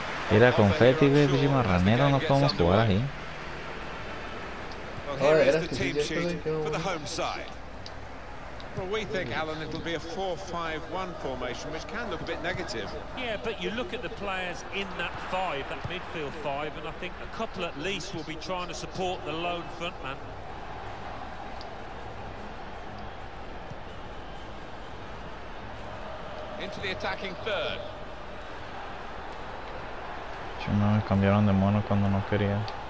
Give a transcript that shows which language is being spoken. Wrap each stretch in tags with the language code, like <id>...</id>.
<es>Mira, confeti, güey, pinche marranero, no podemos jugar ahí. Ahora, era que sí, ya está ahí,</es> <en>Well, we think, Alan, it'll be a 4-5-1 formation, which can look a bit negative. Yeah, but you look at the players in that five, that midfield five, and I think a couple at least will be trying to support the lone frontman. Into the attacking third.</en> <es>No, me cambiaron de mono cuando no quería.</es>